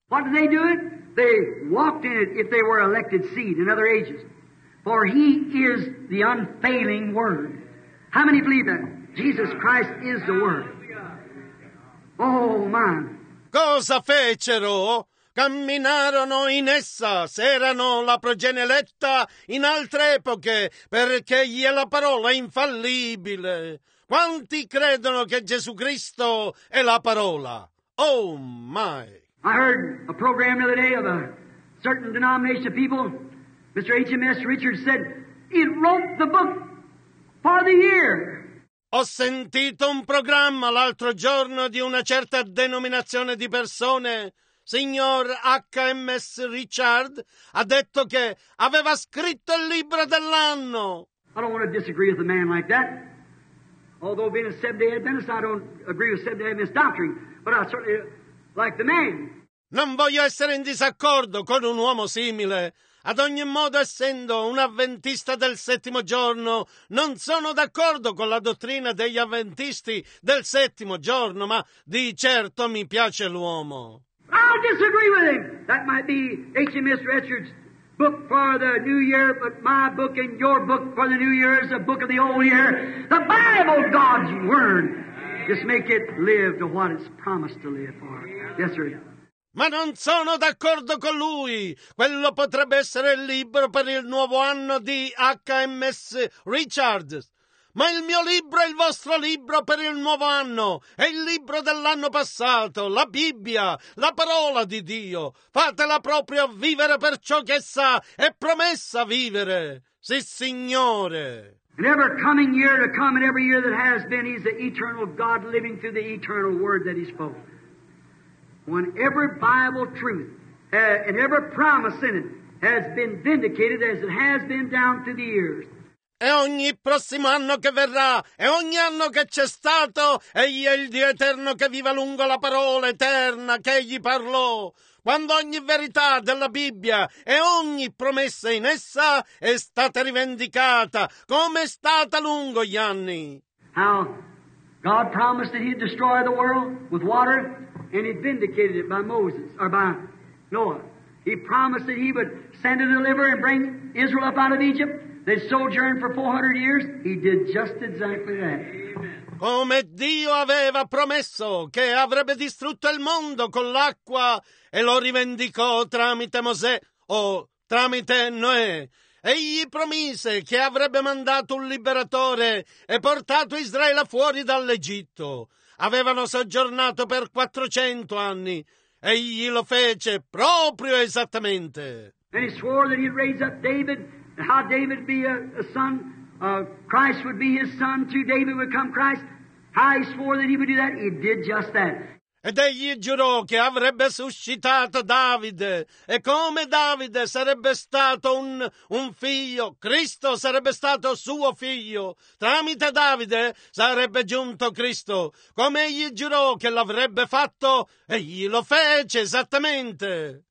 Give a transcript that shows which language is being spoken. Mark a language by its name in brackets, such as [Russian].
[English] What did they do? They walked in it if they were elected seed in other ages. For he is the unfailing word. How many believe that? Jesus Christ is the word. Oh, man. [Italian] Cosa fecero? Camminarono in essa, se erano la progenie eletta, in altre epoche, perché gli è la parola infallibile. Quanti credono che Gesù Cristo è la parola? [English] Oh, my. I heard a program the other day of a certain denomination of people. Mr. H.M.S. Richards said, it wrote the book for the year. [Italian] Ho sentito un programma l'altro giorno di una certa denominazione di persone. Signor H.M.S. Richard ha detto che aveva scritto il libro dell'anno. [English] I don't want to disagree with a man like that. Although being a Seventh-day Adventist, I don't agree with Seventh-day Adventist doctrine. But I certainly like the man. [Italian] Non voglio essere in disaccordo con un uomo simile. Ad ogni modo, essendo un avventista del settimo giorno, non sono d'accordo con la dottrina degli avventisti del settimo giorno, ma di certo mi piace l'uomo. [English] I'll disagree with him. That might be H.M.S. Richards' book for the new year, but my book and your book for the new year is the book of the old year, the Bible, God's word. Just make it live to what it's promised to live for. Yes, sir. [Italian] Ma non sono d'accordo con lui. Quello potrebbe essere il libro per il nuovo anno di HMS Richards. Ma il mio libro è il vostro libro per il nuovo anno. È il libro dell'anno passato, la Bibbia, la parola di Dio. Fatela proprio vivere per ciò che sa, è promessa vivere. Sì, Signore. [English] And every coming year to come and every year that has been, he's the eternal God living through the eternal word that he spoke. When every Bible truth and every promise in it has been vindicated as it has been down through the years. [Italian] E ogni prossimo anno che verrà, e ogni anno che c'è stato, egli è il Dio eterno che viva lungo la parola eterna che egli parlò. Quando ogni verità della Bibbia e ogni promessa in essa è stata rivendicata, come è stata lungo gli anni. [English] How God promised that he'd destroy the world with water, and he vindicated it by Moses, or by Noah. He promised that he would send a deliverer and bring Israel up out of Egypt. They sojourned for 400 years. He did just exactly that. [Italian] Come Dio aveva promesso che avrebbe distrutto il mondo con l'acqua e lo rivendicò tramite Mosè o tramite Noè. Egli promise che avrebbe mandato un liberatore e portato Israele fuori dall'Egitto. Avevano soggiornato per 400 anni. Egli lo fece proprio esattamente. [English] And he swore that he'd raise up David. And how David be a son, Christ would be his son, to David would come Christ. How he swore that he would do that, he did just that. [Italian] Ed egli giurò che avrebbe suscitato Davide, e come Davide sarebbe stato un figlio, Cristo sarebbe stato suo figlio, tramite Davide sarebbe giunto Cristo. Come egli giurò che l'avrebbe fatto, egli lo fece esattamente.